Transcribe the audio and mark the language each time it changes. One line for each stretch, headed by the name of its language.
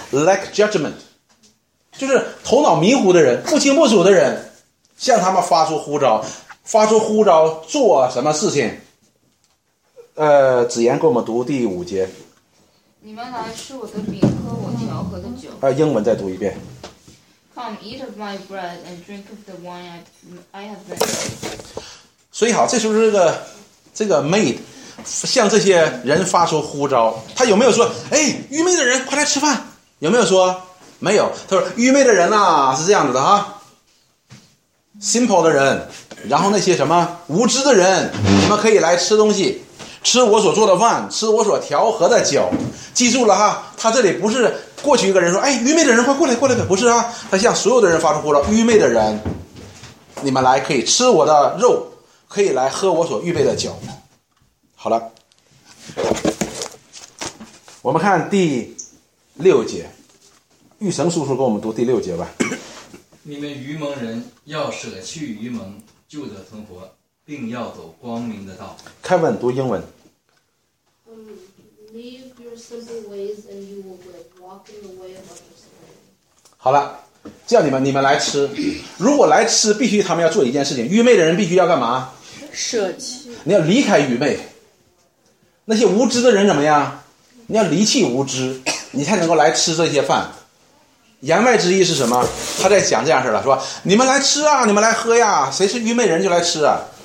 English: Lack judgment，
Chinese: 就是头脑迷糊的人，不清不楚的人，向他们发出呼召，发出呼召做什么事情？子言给我们读第五节。你们来吃我的饼，喝我调和的酒。英文再读一遍。
English: Come eat of my bread and drink of the wine I have made.
Chinese: 所以好，这时候这个 maid 向这些人发出呼召，他有没有说：“哎，愚昧的人，快来吃饭？” 有没有说？没有，他说：“愚昧的人呐、啊，是这样子的哈。” simple 的人，然后那些什么无知的人，你们可以来吃东西，吃我所做的饭，吃我所调和的酒。记住了哈，他这里不是过去一个人说：“哎，愚昧的人，快过来，过来呗。” 不是啊，他向所有的人发出呼召：“愚昧的人，你们来可以吃我的肉，可以来喝我所预备的酒。” 好了，我们看第六节，玉成叔叔给我们读第六节吧。你们愚蒙人要舍去愚蒙，就得存活，并要走光明的道。 Kevin 读英文。
English: Leave your simple ways and you will walk in the way of others.
Chinese: 好了，叫你们来吃。如果来吃，必须他们要做一件事情。愚昧的人必须要干嘛？舍弃。你要离开愚昧。那些无知的人怎么样？你要离弃无知，你才能够来吃这些饭。言外之意是什么？他在讲这样事了，说你们来吃啊，你们来喝呀，谁是愚昧人就来吃啊。